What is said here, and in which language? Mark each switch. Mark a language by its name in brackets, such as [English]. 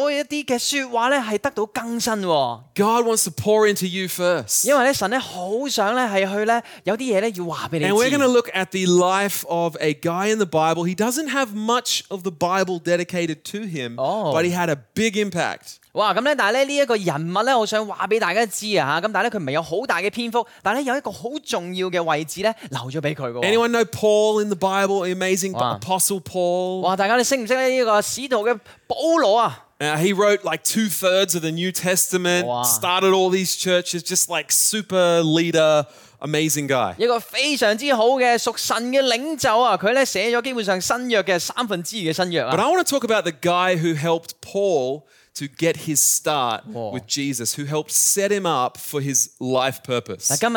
[Chinese] 第一件事就是我们一定要从耶稣那里得到一些说话是得到更新。God [English] wants to pour into you first. [Chinese] 因为神很想去有些东西要告诉你。 [English] And we're going to look at the life of a guy in the Bible. He doesn't have much of the Bible dedicated to him, but he had a big impact. [Chinese] 但是这个人物我想告诉大家，但是他没有很大的篇幅，但是有一个很重要的位置留了给他。Anyone [English] know Paul in the Bible, amazing apostle Paul? [Chinese] 大家认识不认识这个使徒的保罗？ [English] He wrote like two-thirds of the New Testament, started all these churches, just like super leader, amazing guy. [Chinese] 一个非常好的属神的领袖，他写了基本上新约的三分之二的新约。But [English] I want to talk about the guy who helped Paul to get his start with Jesus, who helped set him up for his life purpose.